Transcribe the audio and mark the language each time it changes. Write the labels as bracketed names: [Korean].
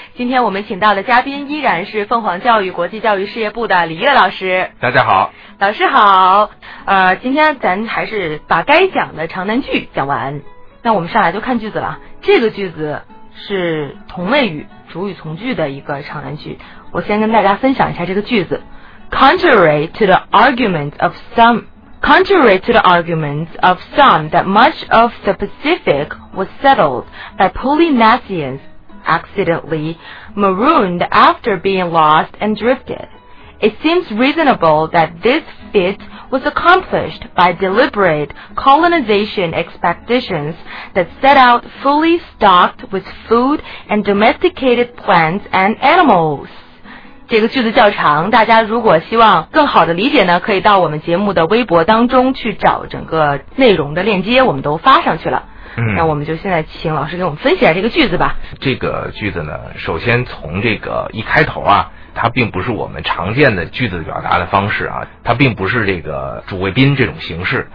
[Chinese] 今天我们请到的嘉宾依然是凤凰教育国际教育事业部的李悦老师。大家好。老师好。今天咱还是把该讲的长难句讲完，那我们上来就看句子了。这个句子是同位语主语从句的一个长难句，我先跟大家分享一下这个句子。 [English] Contrary to the arguments of some that much of the Pacific was settled by Polynesians accidentally marooned after being lost and drifted, it seems reasonable that this feat was accomplished by deliberate colonization expeditions that set out fully stocked with food and domesticated plants and animals. [Chinese] 这个句子较长，大家如果希望更好的理解呢，可以到我们节目的微博当中去找整个内容的链接，我们都发上去了。嗯，那我们就现在请老师给我们分析一下这个句子吧。这个句子呢，首先从这个一开头啊，它并不是我们常见的句子表达的方式啊，它并不是这个主谓宾这种形式。